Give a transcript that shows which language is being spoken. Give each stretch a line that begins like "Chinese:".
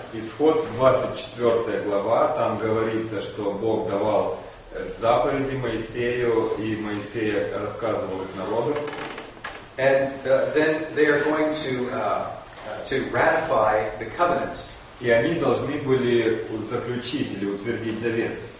Russian: Исход 24 глава, там говорится, что Бог давал заповеди Моисею, и Моисей рассказывал их народу.
English: And then they are going to ratify the covenant.
Russian: И они должны были заключить или утвердить завет.